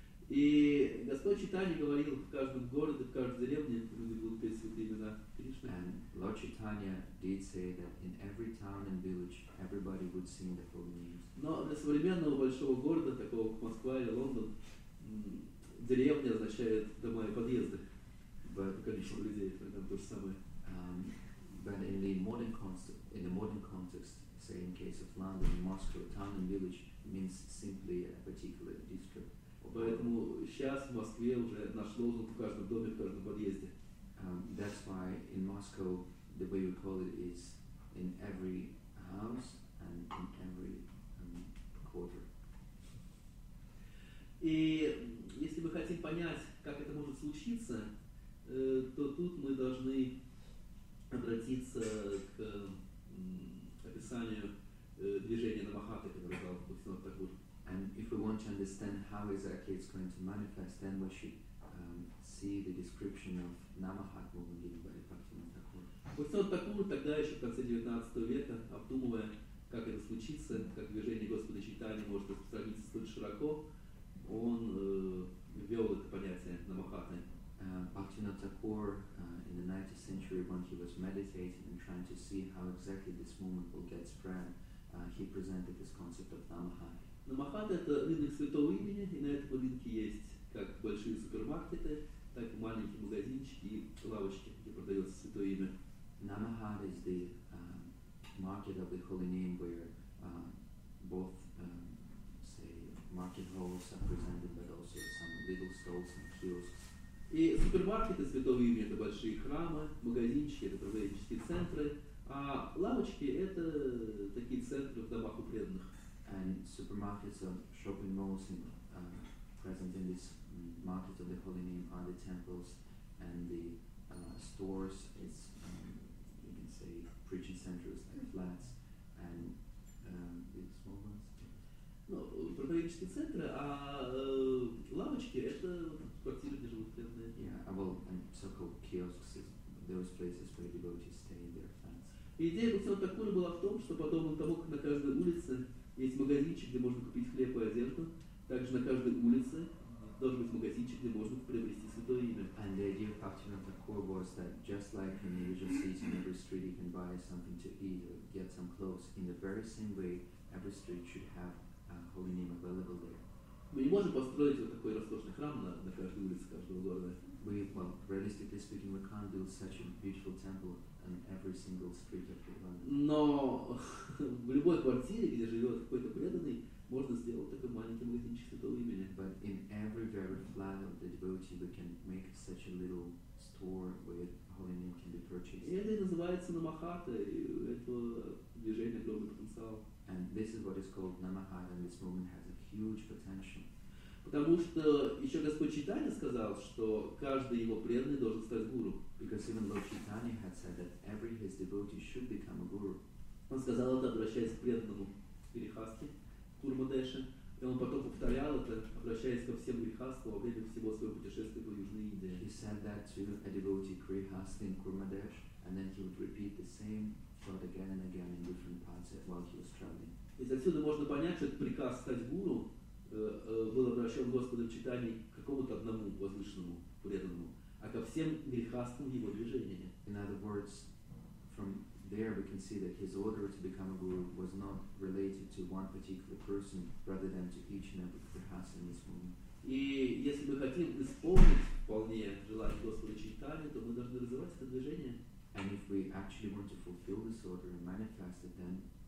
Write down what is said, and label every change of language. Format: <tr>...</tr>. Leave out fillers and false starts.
<ru>И Господь Чайтанья говорил, в каждом городе, в каждой деревне люди будут петь святые имена Кришны.</ru> <en>And Lord Chaitanya did say that in every town and village everybody would sing the holy names.</en> <ru>Но для современного большого города, такого как Москва или Лондон, деревня означает дома и подъезды.</ru> <en>But</en> <ru>количество людей, там то же самое.</ru> <en>But in the modern context, say in case of London, Moscow, town and village means simply a particular district.</en> <ru>Поэтому сейчас в Москве уже наш лозунг в каждом доме, в каждом подъезде.</ru> <en>That's why in Moscow the way we call it is in every house and in every quarter.</en> <ru>И если мы хотим понять, как это может случиться, то тут мы должны обратиться к описанию движения Намахаты, которое дал Бхактисиддханта Тхакур.</ru> <en>And if we want to understand how exactly it's going to manifest, then we should see the description of Namahat movement given by Bhaktivinoda Thakur.</en> <ru>Bhaktivinoda Thakur тогда еще в конце 19 века, обдумывая, как это случится, как движение Господа Чайтаньи может распространиться столь широко, он ввел это понятие Намахаты.</ru> <en>Bhaktivinoda Thakur in the 19th century, when he was meditating and trying to see how exactly this movement will get spread, he presented this concept of Namahat.</en> <ru>Намахат – это рынок святого имени, и на этом рынке есть как большие супермаркеты, так и маленькие магазинчики и лавочки, где продается святое имя. Намахат – это</ru> <en>market of the holy name, where both, say, market halls are presented, but also some little stalls and kiosks.</en> <ru>И супермаркеты святого имени – это большие храмы, магазинчики – это проповеднические центры, а лавочки – это такие центры в домах у преданных.</ru> <en>And supermarkets or shopping malls in, present in this market of the Holy Name are the temples and the stores, it's, you can say, preaching centers like flats and the small ones. No,</en> <ru>проповеднические центры, а</ru> <en>the... Yeah, well, and so-called kiosks, those places where devotees stay in their fans.</en> <ru>Идея Бхактисиддханта была в том, что подобно тому, как на каждой улице есть магазинчик, где можно купить хлеб и одежду, также на каждой улице должен быть магазинчик, где можно приобрести святое имя.</ru> <en>And the idea of Bhaktivinoda Thakur was that just like in individual cities in every street you can buy something to eat or get some clothes, in the very same way every street should have a holy name available there.</en> <ru>Мы не можем построить вот такой роскошный храм на каждой улице каждого города.</ru> <en>We, well, realistically speaking, we can't build such a beautiful temple on every single street of London.</en> <ru>Но в любой квартире, где живет какой-то преданный, можно сделать такой маленький магазинчик святого имени.</ru> <en>But in every very flat of the devotee, we can make such a little store where holy name can be purchased.</en> <ru>И это называется Намахата, и это движение огромный потенциал.</ru> <en>And this is what is called Намахата, and this movement has a huge potential.</en> <ru>Потому что еще Господь Чайтанья сказал, что каждый его преданный должен стать гуру.</ru> <en>Because even Lord Chaitanya had said that every his devotee should become a guru.</en> <ru>Он сказал это, обращаясь к преданному Грихасхе, Курмадеше, и он потом повторял это, обращаясь ко всем Грихасхе во время всего своего путешествия по Южной Индии.</ru> <en>He said that to a devotee Грихасхе in Курмадеше, and then he would repeat the same thought again and again in different parts while he was traveling.</en> <ru>И отсюда можно понять, что этот приказ стать гуру был обращен Господом Чайтаньей к какому-то одному возвышенному преданному, а ко всем грехастам его движения.</ru> <en>In other words, from there we can see that his order to become a guru was not related to one particular person, rather than to each and every grihastha in this movement.</en> <ru>И если мы хотим исполнить вполне желание Господа Чайтаньи, то мы должны развивать это движение.</ru> <en>And if we actually want to fulfill this order and manifest it, then</en>